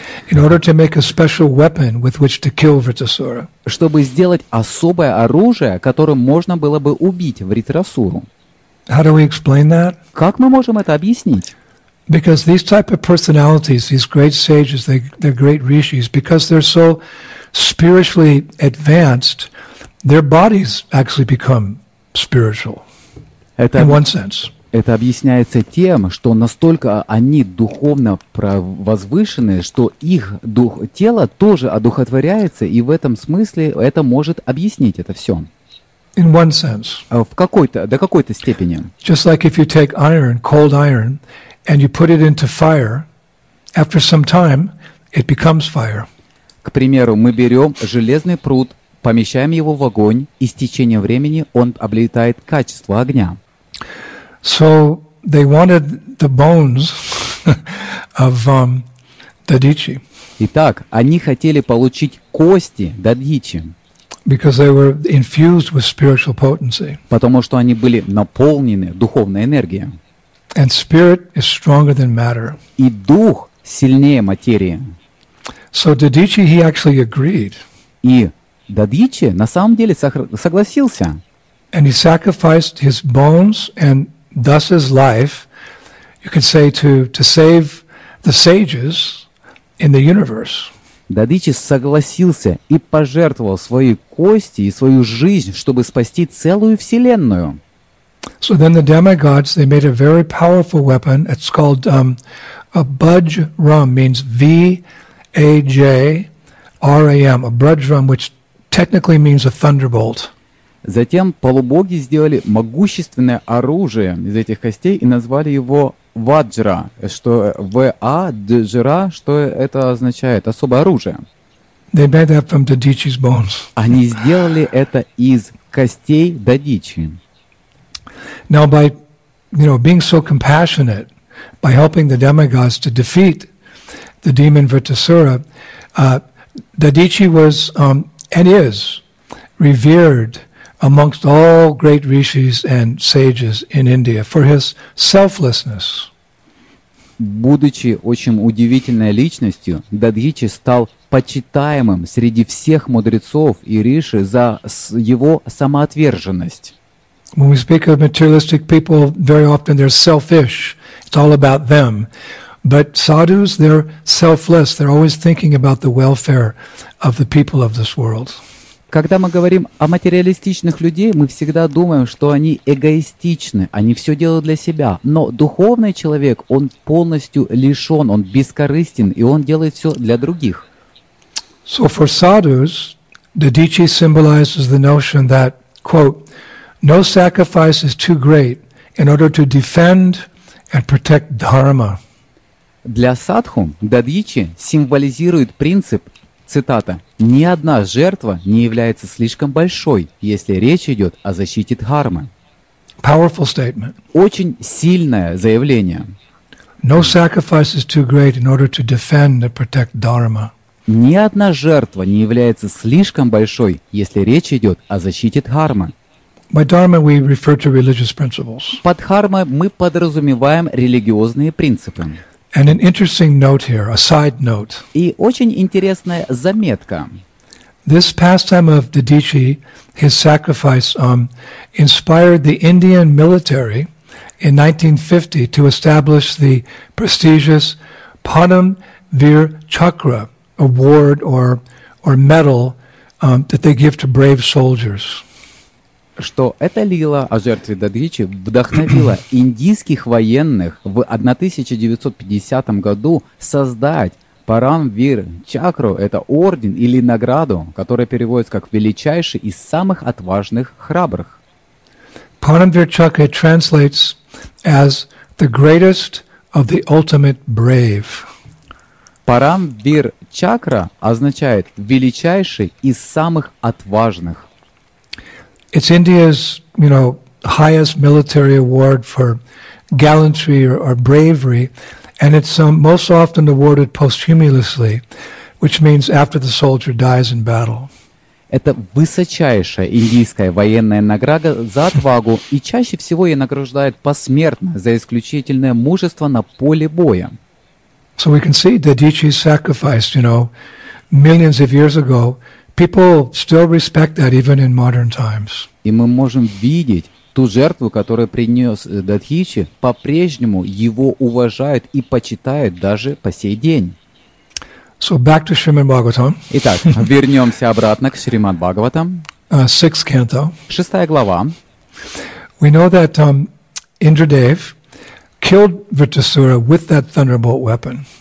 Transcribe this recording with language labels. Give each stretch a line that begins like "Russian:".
English: In order to make a special weapon with which to kill Vritasura.
Russian: Чтобы сделать особое оружие, которым можно было бы убить Вритасуру.
English: How do we explain that?
Russian: Как мы можем это объяснить?
English: Because these type of personalities, these great sages, they're great rishis, because they're so spiritually advanced, their bodies actually become spiritual.
Russian: Это
English: in one sense.
Russian: Это объясняется тем, что настолько они духовно возвышены, что их дух, тело тоже одухотворяется, и в этом смысле это может объяснить это все.
English: In one sense.
Russian: В какой-то, до какой-то степени.
English: Just like if you take iron, cold iron, and you put it into fire, after some time, it becomes fire.
Russian: К примеру, мы берем железный прут, помещаем его в огонь, и с течением времени он обретает качество огня.
English: So they wanted the bones of Dadichi.
Russian: Итак, они хотели получить кости Дадичи.
English: Because they were infused with spiritual potency.
Russian: Потому что они были наполнены духовной энергией.
English: And spirit is stronger than matter.
Russian: И дух сильнее материи.
English: So Dadichi, he actually agreed.
Russian: И Дадичи на самом деле согласился.
English: And he sacrificed his bones and thus his life, you could say, to save the sages in the universe.
Russian: Дадичи согласился и пожертвовал свои кости и свою жизнь, чтобы спасти целую вселенную.
English: So then the demigods, they made a very powerful weapon. It's called a bajram, means V-A-J-R-A-M, a bajram, which technically means a thunderbolt.
Russian: Затем полубоги сделали могущественное оружие из этих костей и назвали его ваджра, что В-А-Д-Жра, что это означает? Особое оружие.
English: They made that from Dadichi's bones.
Russian: Они сделали это из костей Дадичи.
English: Now by, you know, being so compassionate, by helping the demigods to defeat the demon Vritasura, Dadichi was and is revered amongst all great rishis and sages in India for his selflessness.
Russian: Будучи очень удивительной личностью, Дадичи стал почитаемым среди всех мудрецов и риши за его самоотверженность.
English: When we speak of materialistic people, very often they're selfish. It's all about them. But sadhus, they're selfless. They're always thinking about the welfare of the people of this world.
Russian: Когда мы говорим о материалистичных людей, мы всегда думаем, что они эгоистичны, они все делают для себя. Но духовный человек, он полностью лишен, он бескорыстен, и он делает все для других.
English: So for sadhus, Dadichi symbolizes the notion that, quote, no sacrifice is too great in order to defend and protect dharma.
Russian: Для садху Дадичи символизирует принцип, цитата, «Ни одна жертва не является слишком большой, если речь идет о защите дхармы».
English: Powerful statement.
Russian: Очень сильное заявление.
English: No sacrifice is too great in order to defend and protect dharma.
Russian: Ни одна жертва не является слишком большой, если речь идет о защите дхармы.
English: By dharma we refer to religious principles.
Russian: Под дхармой мы подразумеваем религиозные принципы.
English: And an interesting note here, a side note.
Russian: И очень интересная заметка.
English: This pastime of Dadichi, his sacrifice, inspired the Indian military in 1950 to establish the prestigious Padam Veer Chakra award or medal that they give to brave soldiers.
Russian: Что эта лила о жертве Дадичи вдохновила индийских военных в 1950 году создать Парамвир Чакру, это орден или награду, которая переводится как величайший из самых отважных храбрых.
English: Парамвир Чакра translates as the greatest of the ultimate brave.
Russian: Парамвир Чакра означает величайший из самых отважных.
English: It's India's, you know, highest military award for gallantry or bravery, and it's most often awarded posthumously, which means after the soldier dies in battle.
Russian: Это высочайшая индийская военная награда за отвагу, и чаще всего ее награждают посмертно за исключительное мужество на поле боя.
English: So we can see Dadichi sacrificed, you know, millions of years ago. People still respect that even in modern times.
Russian: И мы можем видеть ту жертву, которую принес Дадичи, по-прежнему его уважают и почитают даже по сей день.
English: So back to Shrimad Bhagavatam.
Russian: Итак, вернемся обратно к Шримад Бхагаватам.
English: Sixth canto.
Russian: Шестая глава.
English: We know that Indradev killed Vritasura with that thunderbolt weapon.